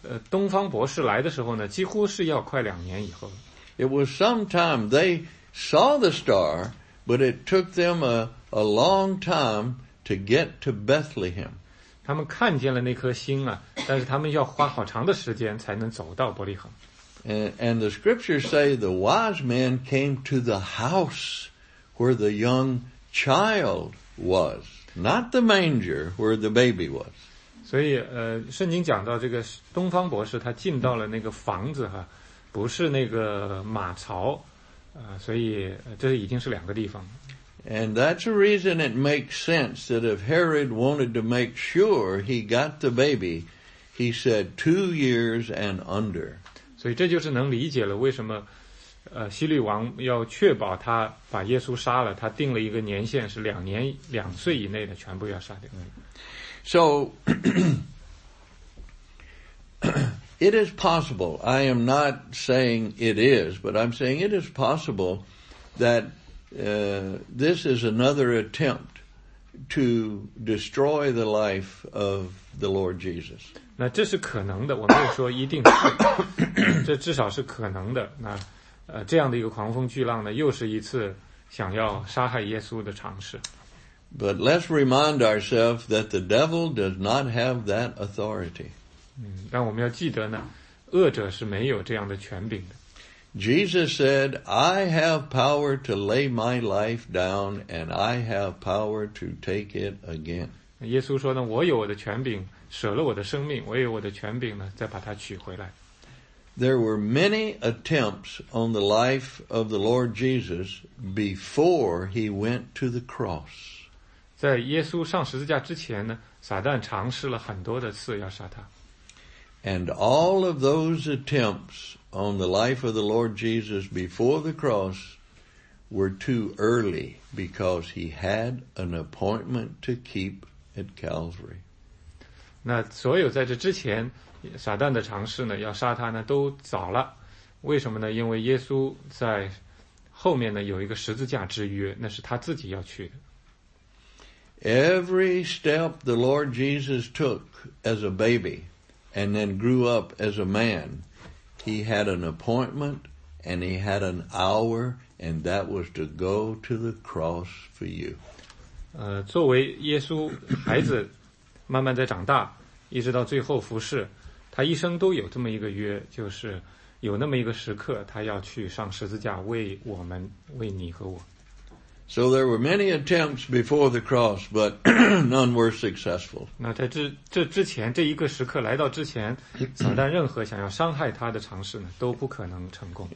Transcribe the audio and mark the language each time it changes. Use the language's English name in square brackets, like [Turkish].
[Chinese] 东方博士来的时候呢，几乎是要快两年以后。 [English] It was some time. They saw the star, but it took them a long time to get to Bethlehem. [Chinese] 他们看见了那颗星啊，但是他们要花好长的时间才能走到伯利恒。 [English] And the scriptures say the wise men came to the house where the young child was. Not the manger where the baby was. [Chinese] 所以圣经讲到这个东方博士他进到了那个房子哈，不是那个马槽，所以这已经是两个地方。 [English] And that's the reason it makes sense that if Herod wanted to make sure he got the baby, he said 2 years and under. [Chinese] 所以这就是能理解了为什么希律王要确保他把耶稣杀了，他定了一个年限，是两年两岁以内的全部要杀掉。 [English] So, it is possible, I am not saying it is, but I'm saying it is possible that this is another attempt to destroy the life of the Lord Jesus. [Chinese] 那这是可能的，我没有说一定是，这至少是可能的。那这样的一个狂风巨浪呢，又是一次想要杀害耶稣的尝试。 [English] But let's remind ourselves that the devil does not have that authority. [Chinese] 但我们要记得呢，恶者是没有这样的权柄的。 [English] Jesus said, I have power to lay my life down, and I have power to take it again. [Chinese] 耶稣说呢，我有我的权柄，舍了我的生命，我有我的权柄呢，再把它取回来。 [English] There were many attempts on the life of the Lord Jesus before he went to the cross. [Chinese] 在耶稣上十字架之前呢，撒旦尝试了很多的次要杀他。 [English] And all of those attempts on the life of the Lord Jesus before the cross were too early because he had an appointment to keep at Calvary. [Chinese] 那所有在这之前撒旦的尝试呢，要杀他呢，都早了。为什么呢？因为耶稣在后面呢有一个十字架之约，那是他自己要去的。 [English] Every step the Lord Jesus took as a baby, and then grew up as a man. He had an appointment and he had an hour, and that was to go to the cross for you. [Chinese] 作为耶稣孩子慢慢在长大一直到最后服侍，他一生都有这么一个约，就是有那么一个时刻他要去上十字架为我们，为你和我。 [English] So there were many attempts before the cross, but none were successful. [Chinese] 那在这之前，这一个时刻来到之前，撒旦任何想要伤害他的尝试呢，都不可能成功。